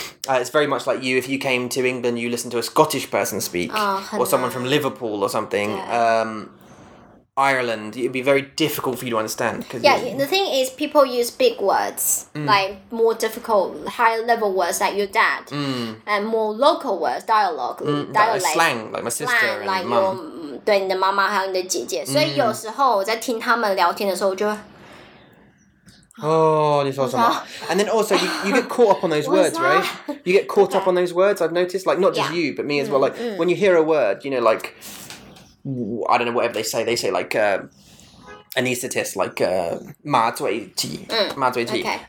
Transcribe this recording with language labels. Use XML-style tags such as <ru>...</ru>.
<en>It's very much like you, if you came to England, you listen to a Scottish person speak, or someone from Liverpool or something. Ireland, it'd be very difficult for you to understand. The thing is, people use big words, like more difficult, higher level words like your dad, and more local words, dialogue, dialect. Like slang, like my sister slang, and like mum.</en> <zh>对你的妈妈还有你的姐姐.</zh> <en>So</en> <zh>有时候我在听他们聊天的时候，我就</zh> <en>And then also you get caught up on those words, right? You get caught up on those words. I've noticed, like, not just you, but me as well. Like when you hear a word, you know, like, I don't know, whatever they say like anaesthetist, like ma zui ji.</en>